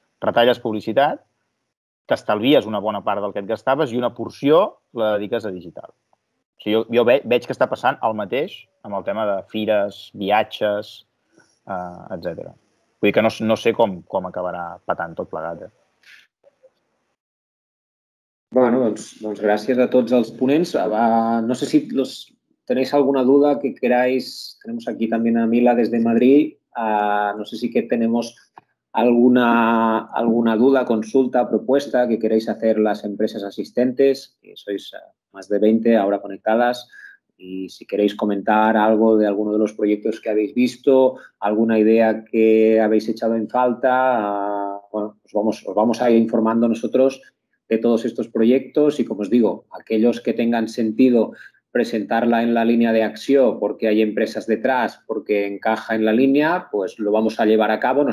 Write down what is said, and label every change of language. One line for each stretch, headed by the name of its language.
Catalan: Retalles publicitat, t'estalvies una bona part del que et gastaves i una porció la dediques a digital. O sigui, jo veig que està passant el mateix amb el tema de fires, viatges, etc. Vull dir que no sé com acabarà patant tot plegat. Bueno, doncs gràcies a tots els ponents.
Spanish: No sé si tenéis alguna duda que queráis.
Catalan: Tenim aquí també a Mila des de Madrid.
Spanish: No sé si que tenim alguna duda, consulta, proposta que queréis hacer las empresas asistentes. Sois... más de 20 ahora conectadas, y si queréis comentar algo de alguno de los proyectos que habéis visto, alguna idea que habéis echado en falta, bueno, os vamos a ir informando nosotros de todos estos proyectos y, como os digo, aquellos que tengan sentido presentarla en la línea de acción porque hay empresas detrás, porque encaja en la línea, pues lo vamos a llevar a cabo.